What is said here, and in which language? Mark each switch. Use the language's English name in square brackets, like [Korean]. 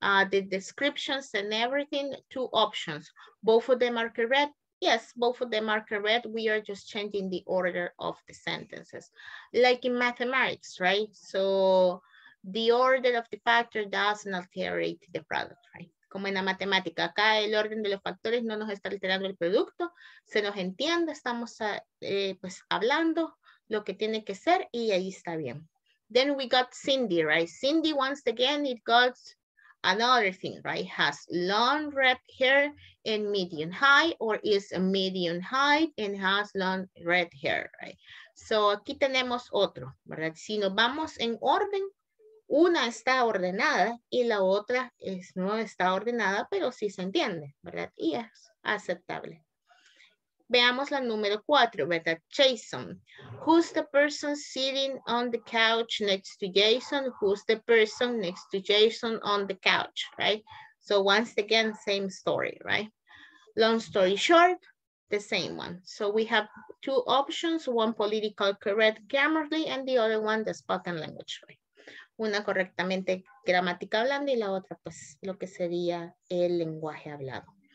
[English] The descriptions and everything, two options. Both of them are correct. Yes, both of them are correct. We are just changing the order of the sentences. Like in mathematics, right? So the order of the factor does not alterate the product, right? [Spanish] Como en la matemática, acá el orden de los factores no nos está alterando el producto, se nos entiende, estamos pues hablando lo que tiene que ser y ahí está bien. [English] Then we got Cindy, right? Cindy, once again, it got another thing, right? Has long red hair and medium height, or is a medium height and has long red hair, right? [Spanish] So aquí tenemos otro, ¿verdad? Si nos vamos en orden, una está ordenada y la otra es, no está ordenada, pero sí se entiende, ¿verdad? Y es aceptable. Veamos la número cuatro, ¿verdad? Jason. [English] Who's the person sitting on the couch next to Jason? Who's the person next to Jason on the couch, right? So once again, same story, right? Long story short, the same one. So we have two options, one political correct grammarly and the other one the spoken language, right? [Spanish] Una correctamente gramática hablando y la otra, pues, lo que sería el lenguaje hablado.